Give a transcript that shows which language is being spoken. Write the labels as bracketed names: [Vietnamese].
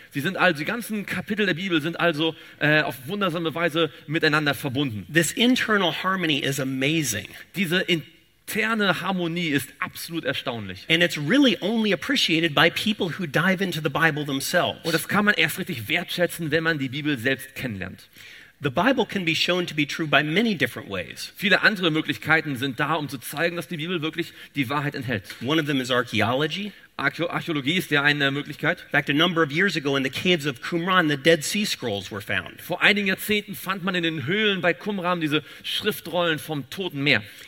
[German] Sie sind also, die ganzen Kapitel der Bibel sind also auf wundersame Weise miteinander verbunden. [English] This internal harmony is amazing. [German] Diese interne Harmonie ist absolut erstaunlich. [English] And it's really only appreciated by people who dive into the Bible themselves. [German] Und das kann man erst richtig wertschätzen, wenn man die Bibel selbst kennenlernt. [English] The Bible can be shown to be true by many different ways. [German] Viele andere Möglichkeiten sind da, um zu zeigen, dass die Bibel wirklich die Wahrheit enthält. [English] One of them is archaeology. [German] Archäologie ist ja eine Möglichkeit. [English] In fact, a number of years ago in the caves of Qumran, the Dead Sea Scrolls were found. [German] Vor einigen Jahrzehnten fand man in den Höhlen bei Qumran diese Schriftrollen vom Toten Meer.